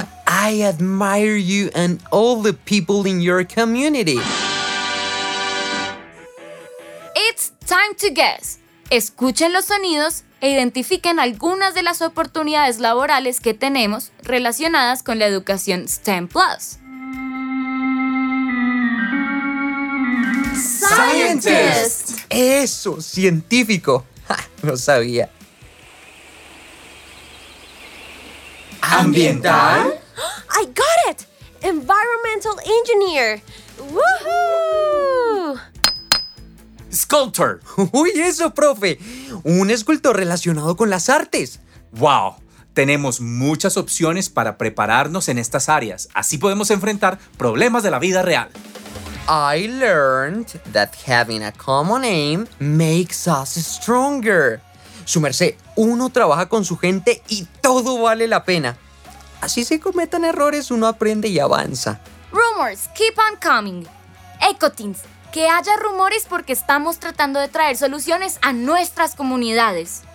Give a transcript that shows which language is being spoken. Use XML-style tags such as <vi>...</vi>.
<en>I admire you and all the people in your community. It's time. Trying to guess.</en> <es>Escuchen los sonidos e identifiquen algunas de las oportunidades laborales que tenemos relacionadas con la educación STEM Plus.</es> <en>¡Scientist!</en> <es>¡Eso! ¡Científico! ¡Ja! Lo sabía. ¿Ambiental?</es> <en>¡I got it! ¡Environmental Engineer! ¡Woohoo! Sculptor.</en> <es>¡Uy, eso, profe! Un escultor relacionado con las artes. ¡Wow! Tenemos muchas opciones para prepararnos en estas áreas. Así podemos enfrentar problemas de la vida real.</es> <en>I learned that having a common aim makes us stronger.</en> <es>Su merced, uno trabaja con su gente y todo vale la pena. Así se cometan errores, uno aprende y avanza.</es> <en>Rumors keep on coming.</en> <es>Ecoteens, que haya rumores porque estamos tratando de traer soluciones a nuestras comunidades.</es>